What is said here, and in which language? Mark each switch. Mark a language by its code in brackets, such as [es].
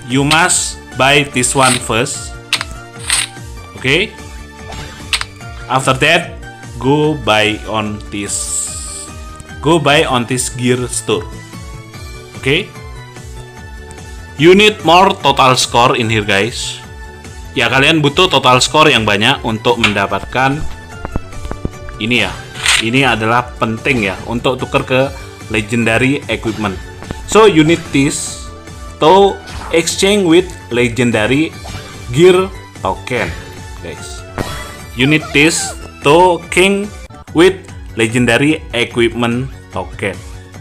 [en] You must buy this one first. Okay. After that, go buy on this gear store. Okay. You need more total score in here guys. [id] Ya, kalian butuh total score yang banyak untuk mendapatkan ini ya. Ini adalah penting ya untuk tuker ke legendary equipment. [en] So you need this to exchange with legendary gear token guys. You need this to king with legendary equipment token. Okay.